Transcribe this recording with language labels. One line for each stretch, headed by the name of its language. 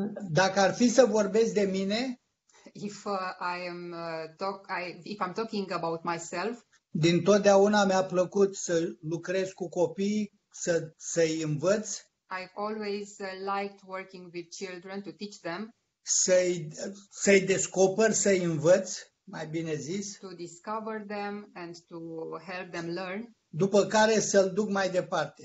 Romanian: Dacă ar fi să vorbesc de mine,
English: if I'm talking about myself,
Romanian: din totdeauna mi-a plăcut să lucrez cu copii, să-i învăț.
English: I've always liked working with children to teach them.
Romanian: Să-i descoper, să-i învăț, mai bine zis.
English: To discover them and to help them learn.
Romanian: După care să-l duc mai departe.